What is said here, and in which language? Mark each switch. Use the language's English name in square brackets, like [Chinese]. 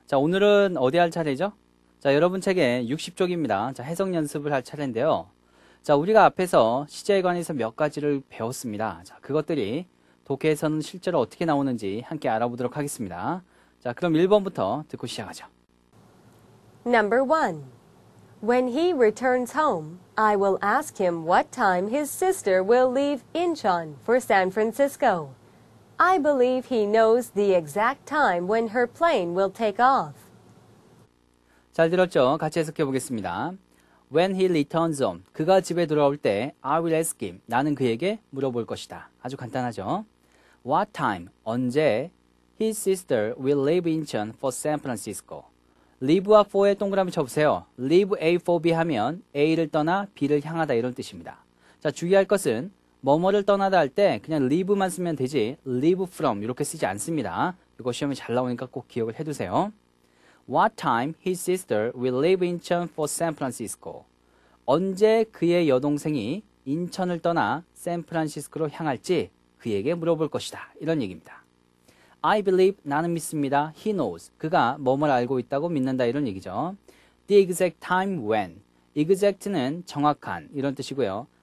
[Korean] 자, 오늘은 어디 할 차례죠? 자, 여러분 책에 60쪽입니다. 자, 해석 연습을 할 차례인데요. 자, 우리가 앞에서 시제에 관해서 몇 가지를 배웠습니다. 자, 그것들이 독해에서는 실제로 어떻게 나오는지 함께 알아보도록 하겠습니다. 자, 그럼 1번부터 듣고 시작하죠. [English] Number one. When he returns home, I will ask him what time his sister will leave Incheon for San Francisco. I believe he knows the exact time when her plane will take off. [Korean] 잘 들었죠? 같이 해석해 보겠습니다. [English] When he returns home, [Korean] 그가 집에 돌아올 때, [English] I will ask him, [Korean] 나는 그에게 물어볼 것이다. 아주 간단하죠? [English] What time, [Korean] 언제, [English] his sister will leave Incheon for San Francisco. [Korean] leave와 for에 동그라미 쳐보세요. [English] leave A for B [Korean] 하면 A를 떠나 B를 향하다 이런 뜻입니다. 자, 주의할 것은, 뭐뭐를 떠나다 할 때, 그냥 leave만 쓰면 되지, leave from, 이렇게 쓰지 않습니다. 이거 시험에 잘 나오니까 꼭 기억을 해 두세요. [English] What time his sister will leave Incheon for San Francisco? [Korean] 언제 그의 여동생이 인천을 떠나 샌프란시스코로 향할지 그에게 물어볼 것이다. 이런 얘기입니다. [English] I believe, [Korean] 나는 믿습니다. [English] He knows. [Korean] 그가 뭐뭐를 알고 있다고 믿는다. 이런 얘기죠. [English] The exact time when. [Korean] exact는 정확한. 이런 뜻이고요.